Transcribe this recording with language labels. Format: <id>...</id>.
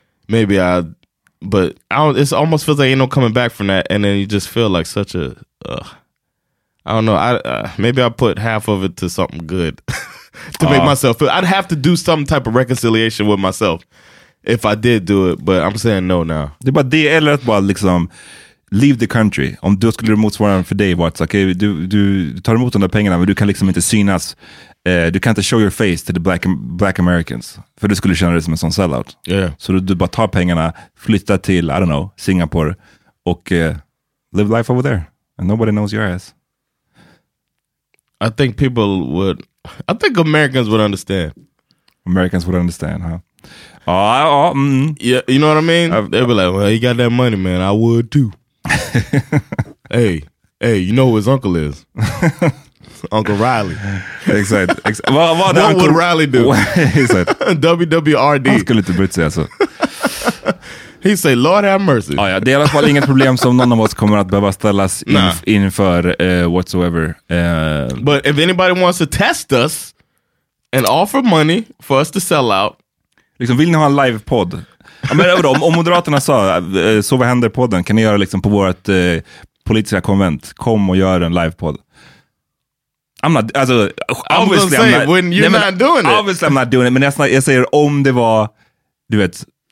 <en>Maybe I'd, but I don't, it almost feels like ain't no coming back from that. And then you just feel like such a, I don't know. Maybe I put half of it to something good. To make myself feel, I'd have to do some type of reconciliation with myself if I did do it, but I'm saying no now.</en> <sv>Det är bara det, eller att bara liksom</sv> <en>leave the country.</en> <sv>Om du skulle motsvara för dig, vart, okay, du tar emot de där pengarna, men du kan liksom inte synas, du kan inte</sv> <en>show your face to the black Americans,</en> <sv>för du skulle känna dig som en sån sellout.</sv> <en>Yeah.</en> <sv>Så du bara tar pengarna, flytta till,</sv> <en>I don't know, Singapore,</en> <sv>och</sv> <en>live life over there, and nobody knows your ass. I think people would, I think Americans would understand. Americans would understand, huh? Yeah, you know what I mean? They'd be like, well, he got that money, man. I would too. Hey, you know who his uncle is? Uncle Riley. Exactly. Well, what would Riley do? WWRD.</en> <sv>Han skulle inte bryta sig, alltså.</sv> <en>He say, Lord have mercy.</en> <sv>Ah, ja, det är i alla fall inget problem som någon av oss kommer att behöva ställas inför whatsoever.</sv> <en>But if anybody wants to test us and offer money for us to sell out.</en> <sv>Liksom, vill ni ha en live podd? Ja, men då, om Moderaterna sa, så vad händer podden? Kan ni göra liksom på vårt politiska konvent? Kom och gör en live podd.</sv> <en>I'm not,</en> <sv>alltså, obviously</sv> <en>I'm, say, I'm not, when you're</en> <sv>nej,</sv> <en>not</en> <sv>men,</sv> <en>doing obviously it. Obviously I'm not doing it,</en> <sv>men jag säger om det var, du vet,</sv>